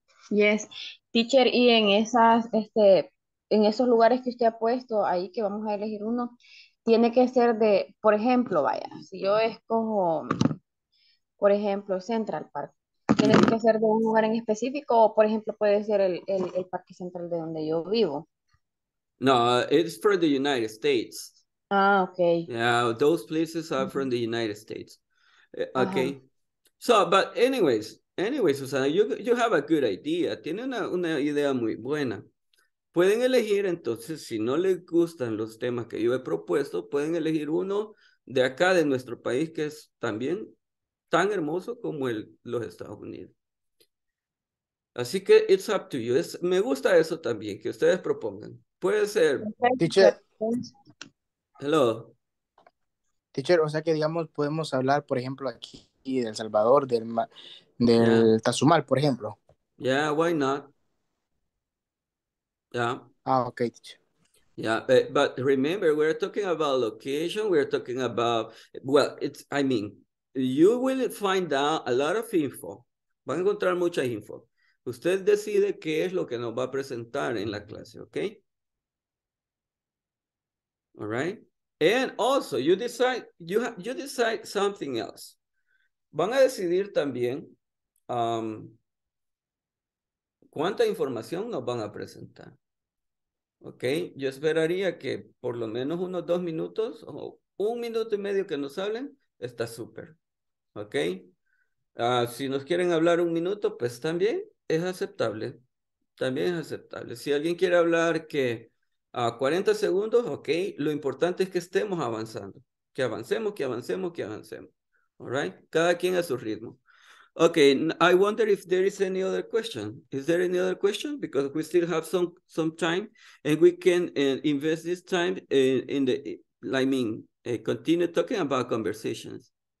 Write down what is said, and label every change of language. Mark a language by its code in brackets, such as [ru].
[en] Yes, teacher, [es] y en esas, en esos lugares que usted ha puesto ahí, que vamos a elegir uno, tiene que ser de, por ejemplo, vaya, si yo escojo, por ejemplo, Central Park, tiene que ser de un lugar en específico, o por ejemplo, puede ser el parque central de donde yo vivo. [en] No, it's for the United States. Ah, okay. Yeah, those places are from the United States. Okay. So, but anyways, Susana, you have a good idea. [es] Tiene una idea muy buena. Pueden elegir, entonces, si no les gustan los temas que yo he propuesto, pueden elegir uno de acá, de nuestro país, que es también tan hermoso como los Estados Unidos. Así que, [en] it's up to you. [es] Me gusta eso también, que ustedes propongan. Puede ser. [en] Teacher. Hello. [es] Teacher, o sea que, digamos, podemos hablar, por ejemplo, aquí de El Salvador, del Tazumal, por ejemplo. [en] Yeah, why not? Yeah. Ah, okay, teacher. Yeah, but remember, we're talking about location, we're talking about, well, you will find out a lot of info. [es] Va a encontrar mucha info. Usted decide qué es lo que nos va a presentar en la clase, okay? [en] All right? And also, you decide something else. [es] Van a decidir también cuánta información nos van a presentar. Ok, yo esperaría que por lo menos unos 2 minutos o 1 minuto y medio que nos hablen, está súper. Ok, si nos quieren hablar 1 minuto, pues también es aceptable. También es aceptable. Si alguien quiere hablar que a 40 segundos, ok, lo importante es que estemos avanzando. Que avancemos, que avancemos, que avancemos. [en] All right, [es] cada quien a su ritmo. [en] Okay, I wonder if there is any other question. Is there any other question? Because we still have some time, and we can invest this time continue talking about conversations.